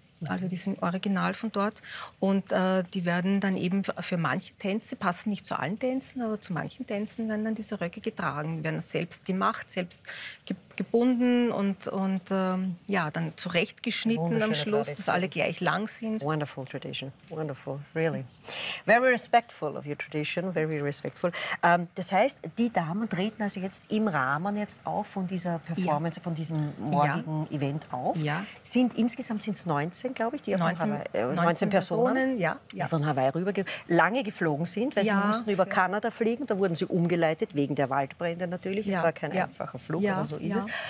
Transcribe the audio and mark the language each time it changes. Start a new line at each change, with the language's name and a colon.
German: Also die sind original von dort, und die werden dann eben für manche Tänze, passen nicht zu allen Tänzen, aber zu manchen Tänzen werden dann diese Röcke getragen, werden selbst gemacht, selbst gebunden und dann zurechtgeschnitten am Schluss, Tradition. Dass alle gleich lang sind.
English: Wonderful tradition, wonderful, really. Very respectful of your tradition, very respectful.
German: Das heißt, die Damen treten also jetzt im Rahmen jetzt auf von dieser Performance, von diesem morgigen Event auf. Ja. Sind insgesamt sind es 19, glaube ich, die 19 Personen von Hawaii lange geflogen sind, weil sie mussten über Kanada fliegen, da wurden sie umgeleitet, wegen der Waldbrände natürlich, es war kein einfacher Flug, aber so ist es.